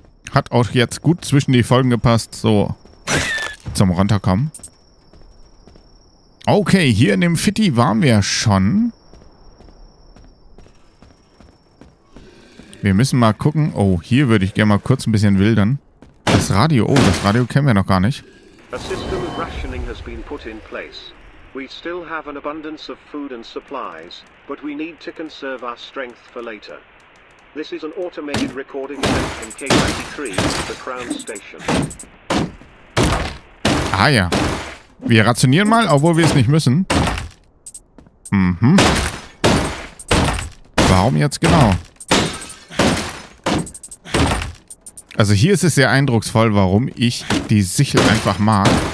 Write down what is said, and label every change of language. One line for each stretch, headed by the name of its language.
German: Hat auch jetzt gut zwischen die Folgen gepasst, so zum Runterkommen. Okay, hier in dem Fitti waren wir schon. Wir müssen mal gucken. Oh, hier würde ich gerne mal kurz ein bisschen wildern. Das Radio. Oh, das Radio kennen wir noch gar nicht.
English: A system of rationing has been put in place. We still have an abundance of food and supplies, but we need to conserve our strength for later. This is an automated recording station K93, the Crown Station.
German: Ah ja. Wir rationieren mal, obwohl wir es nicht müssen. Mhm. Warum jetzt genau? Also hier ist es sehr eindrucksvoll, warum ich die Sichel einfach mag.